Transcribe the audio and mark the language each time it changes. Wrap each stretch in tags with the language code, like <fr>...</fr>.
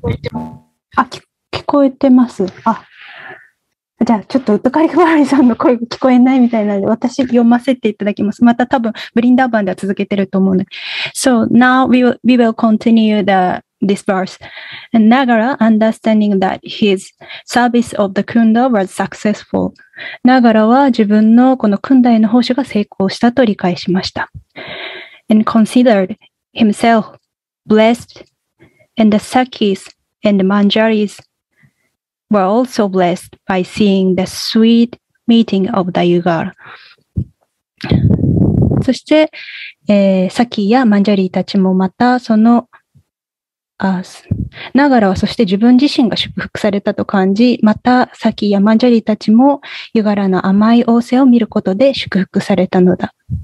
<ja>聞こえてます。あ、じゃあちょっとウトカリフワリさんの声が聞こえないみたいなので私読ませていただきます。また多分ブリンダーバンでは続けてると思うので。</ja> <en>So now we will continue this verse. And Nagara, understanding that his service of the Kunda was successful.</en> <ja>Nagara は自分のこのクンダへの奉仕が成功したと理解しました。</ja> <en>And considered himself blessed and the Sakis and the Manjaris. were also blessed by seeing the sweet meeting of the Yugara.</en> <ja>そして、サキやマンジャリーたちもまた、その、 us. ながらはそして自分自身が祝福されたと感じ、またさきヤマンジャリたちもユガラの甘い仰せを見ることで祝福されたのだ。</ja>